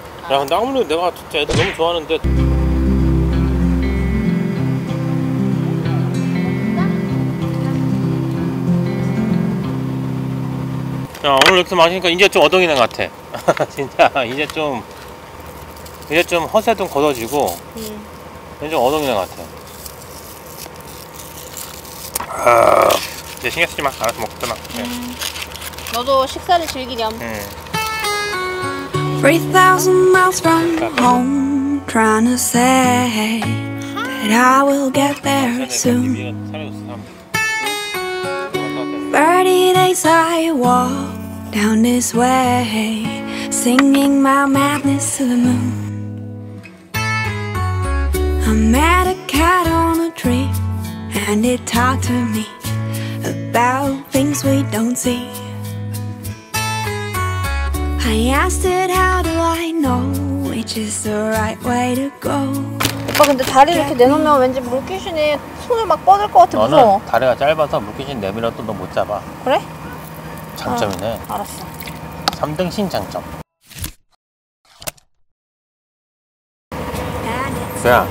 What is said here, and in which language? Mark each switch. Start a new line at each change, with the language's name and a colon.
Korean: 야 근데 아무래도 내가 진짜 애들 너무 좋아하는데 야 오늘 이렇게 마시니까 이제 좀 어덩이 난 것 같아. 진짜 이제 좀 허세 좀 걷어지고 이제 좀 어덩이 난 것 같아. 아, 이제 신경 쓰지 마. 알아서 먹잖아. 너도 식사를 즐기렴.
English: 3,000 miles from home trying to say that I will get there soon. 30 days I walk down this way, singing my madness to the moon. I met a cat on a tree, and it talked to me about things we don't see. I asked it how do I know which is the right way to go.
Korean: 오빠 근데 다리 이렇게 내놓으면 왠지 물귀신이 손을 막 뻗을 것 같아. 무서워. 너는 다리가 짧아서 물귀신 내밀어도 너 못 잡아. 그래? 장점이네. 아, 알았어. 3등 신장점. 야,